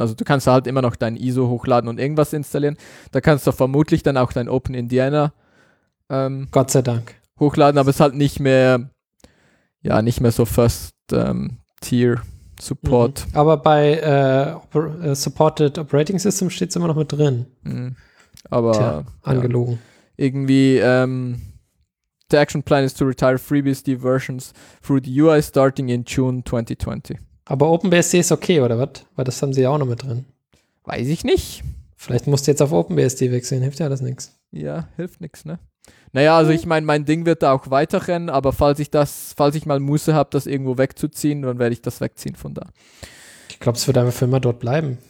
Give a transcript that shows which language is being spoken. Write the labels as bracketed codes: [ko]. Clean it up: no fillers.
[de] Also du kannst halt immer noch dein ISO hochladen und irgendwas installieren. Da kannst du vermutlich dann auch dein Open Indiana Gott sei Dank hochladen, aber es ist halt nicht mehr ja, nicht mehr so First Tier Support. Mhm. Aber bei Supported Operating System steht es immer noch mit drin. Aber angelogen. Ja, irgendwie [en] the action plan is to retire FreeBSD versions through the UI starting in June 2020. [de] Aber OpenBSD ist okay, oder was? Weil das haben sie ja auch noch mit drin. Weiß ich nicht. Vielleicht musst du jetzt auf OpenBSD wechseln, hilft ja das nichts. Ja, hilft nichts, ne? Naja, also ich meine, mein Ding wird da auch weiterrennen, aber falls ich mal Muße habe, das irgendwo wegzuziehen, dann werde ich das wegziehen von da. Ich glaube, es wird einfach für immer dort bleiben.